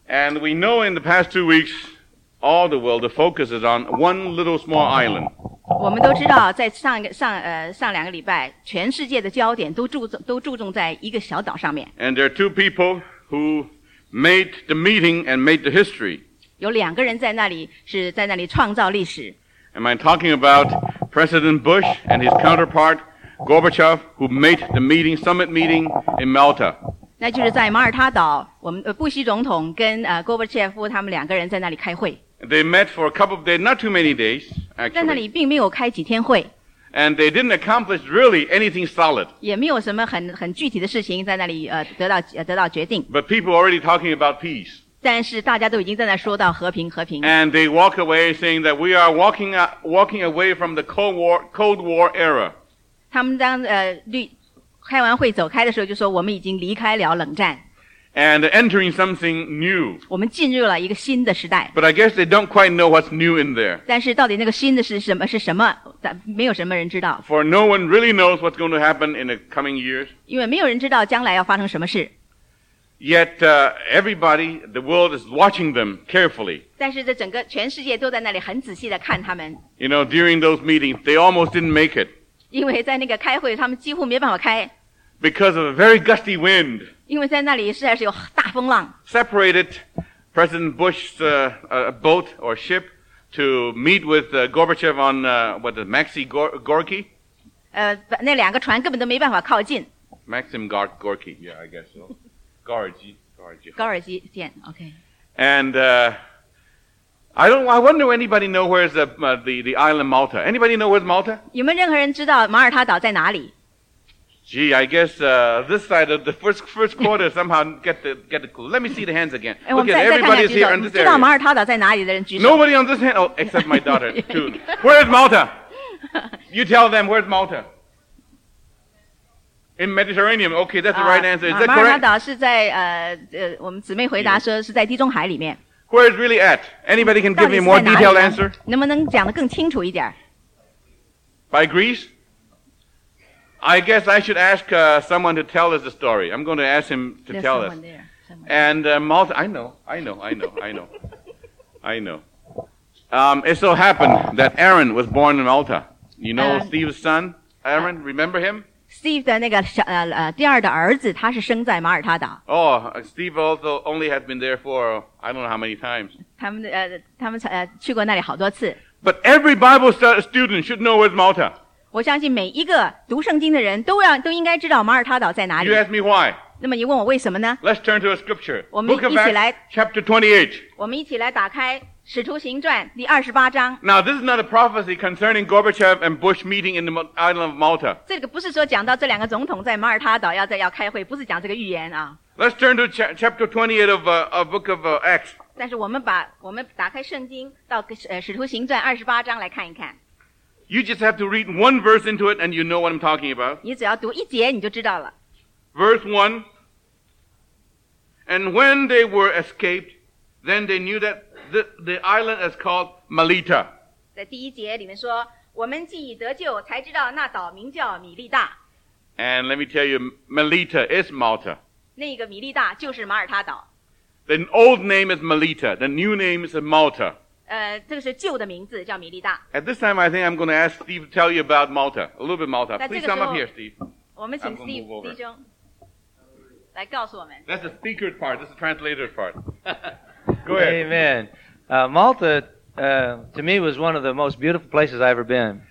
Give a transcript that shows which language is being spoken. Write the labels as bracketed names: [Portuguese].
[English] And we know in the past 2 weeks, all the world, the focus is on one little small island. [Chinese] 我们都知道，在上两个礼拜，全世界的焦点都注重在一个小岛上面。 [English] And there are two people who made the meeting and made the history. [Chinese] 有两个人在那里，是在那里创造历史。 [English] Am I talking about President Bush and his counterpart Gorbachev, who made the meeting, summit meeting in Malta? [Chinese] 那就是在马耳他岛，我们布希总统跟Gorbachev他们两个人在那里开会。 [English] They met for a couple of days, not too many days, actually. [Chinese] 在那里并没有开几天会。 [English] And they didn't accomplish really anything solid. [Chinese] 也没有什么很具体的事情在那里得到决定。 [English] But people already talking about peace. [Chinese] 但是大家都已经在那说到和平。 [English] And they walk away saying that we are walking away from the Cold War era. [Chinese] 他们当开完会走开的时候就说我们已经离开了冷战。 [English] And entering something new. [Chinese] 我们进入了一个新的时代。 [English] But I guess they don't quite know what's new in there. [Chinese] 但是到底那个新的是什么没有什么人知道。 [English] For no one really knows what's going to happen in the coming years. [Chinese] 因为没有人知道将来要发生什么事。 [English] Yet, everybody, the world is watching them carefully. [Chinese] 但是这整个全世界都在那里很仔细地看他们。 [English] You know, during those meetings, they almost didn't make it. [Chinese] 因为在那个开会他们几乎没办法开。 [English] Because of a very gusty wind. [Chinese] 因为在那里实在是有大风浪。 [English] Separated President Bush's boat or ship to meet with Gorbachev on, Maxi Gorky? [Chinese] 那两个船根本都没办法靠近。 [English] Maxim Gorky, yeah, I guess so. Gorky, okay. And, I wonder if anybody knows where the island Malta. Anybody know where's Malta? [Chinese] 有没有任何人知道马耳他岛在哪里？ [English] Gee, I guess this side of the first quarter somehow get the clue. Let me see the hands again. Look at everybody here in this area. [Chinese] 知道马耳他岛在哪里的人举手。 [English] Nobody on this hand, oh, except my daughter, too. Where's Malta? You tell them where's Malta. In Mediterranean, okay, that's the right answer. Is that correct? [Chinese] 马耳他岛是在我们姊妹回答说是在地中海里面。 [English] Where is really at? Anybody can give me a more detailed answer? [Chinese] 能不能讲得更清楚一点? [English] By Greece? I guess I should ask someone to tell us the story. I'm going to ask him to tell us. And Malta, I know. I know. It so happened that Aaron was born in Malta. You know Steve's son, Aaron? Remember him? [Chinese] Steve 的那个第二的儿子他是生在马耳他岛。 [English] Oh, Steve also only has been there for I don't know how many times. [Chinese] 他们去过那里好多次。 [English] But every Bible student should know where's Malta. [Chinese] 我相信每一个读圣经的人都应该知道马耳他岛在哪里。 [English] You ask me why? [Chinese] 那么你问我为什么呢? [English] Let's turn to a scripture. [Chinese] 我们一起来 [English] Chapter 28. [Chinese] 我们一起来打开使徒行传第二十八章。 [English] Now this is not a prophecy concerning Gorbachev and Bush meeting in the island of Malta. [Chinese] 这个不是说讲到这两个总统在马耳他岛要开会，不是讲这个预言啊。 [English] Let's turn to chapter 28 of a book of Acts. [Chinese] 但是我们打开圣经到使徒行传二十八章来看一看。 [English] You just have to read one verse into it, and you know what I'm talking about. [Chinese] 你只要读一节你就知道了。 [English] Verse 1. And when they were escaped, then they knew that. The island is called Melita. [Chinese] 在第一节里面说，我们既得救，才知道那岛名叫米利大。 [English] And let me tell you, Melita is Malta. [Chinese] 那个米利大就是马耳他岛。 [English] The old name is Melita. The new name is Malta. [Chinese] 这个是旧的名字，叫米利大。 [English] At this time, I think I'm going to ask Steve to tell you about Malta, a little bit Malta. Please come up here, Steve. [Chinese] 我们请 Steve 弟兄来告诉我们。 [English] That's the speaker's part. That's the translator's part. Go ahead. Amen. Malta, to me, was one of the most beautiful places I've ever been.